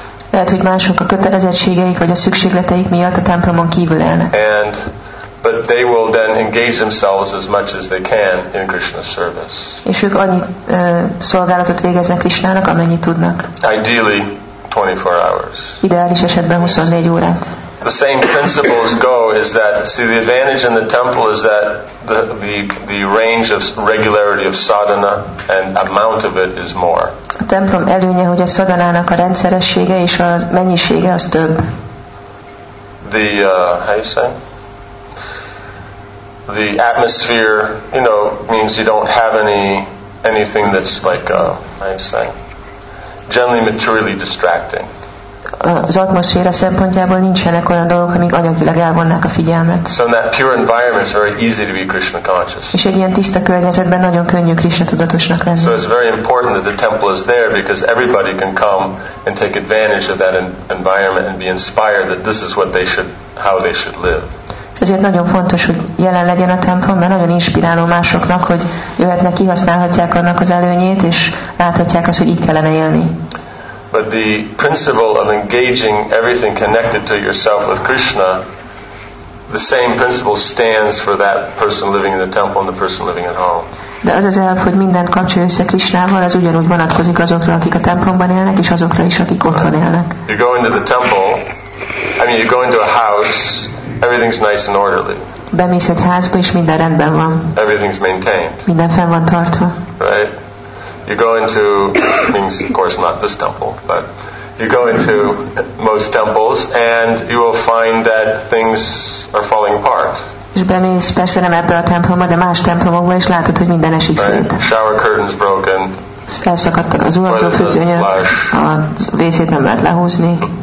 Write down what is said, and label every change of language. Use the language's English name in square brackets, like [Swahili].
[Hungarian] Lehet, hogy mások a kötelezettségeik vagy a szükségleteik miatt a templomon kívül élnek. [English] And but they will then engage themselves as much as they can in Krishna's service. [Hungarian] És ők annyi szolgálatot végeznek Krisnának, amennyit tudnak. [English] Ideally, 24 hours. [Hungarian] Ideális esetben 24 órát. [English] The same principles go is that, see, the advantage in the temple is that the range of regularity of sadhana and amount of it is more. [Hungarian] A templom előnye, hogy a szadhanának a rendszeressége és a mennyisége az több. [English] The, how you say? The atmosphere, you know, means you don't have anything that's like, how you say, generally materially distracting. [Hungarian] Az atmoszféra szempontjából nincsenek olyan dolgok, amik anyagilag elvonnák a figyelmet. [English] So in that pure environment, it's very easy to be Krishna conscious. [Hungarian] És egy ilyen tiszta környezetben nagyon könnyű Krishna tudatosnak lenni. [English] So it's very important that the temple is there because everybody can come and take advantage of that environment and be inspired that this is what they should, how they should live. [Hungarian] Ezért nagyon fontos, hogy jelen legyen a templom, mert nagyon inspiráló másoknak, hogy jöhetnek, kihasználhatják annak az előnyét, és láthatják azt, hogy így kellene élni. [English] But the principle of engaging everything connected to yourself with Krishna, the same principle stands for that person living in the temple and the person living at home. [Hungarian] De az az elv, hogy mindent kapcsolja össze Krishnával, az ugyanúgy vonatkozik azokra, akik a templomban élnek, és azokra is, akik otthon élnek. [English] You go into the temple, I mean you go into a house, everything's nice and orderly. [Hungarian] Bemész egy házba, és minden rendben van. [English] Everything's maintained. [Hungarian] Minden fenn van tartva. [English] Right? You go into things, of course not this temple, but you go into most temples and you will find that things are falling apart. [Hungarian] És bemész persze nem ebbe a templomba, de más templomokba, és látod, hogy minden esik szét. [English] Right? Shower curtains broken. [Hungarian] Elszakadtak az ujjfüggönyök. A vécét nem lehet lehúzni.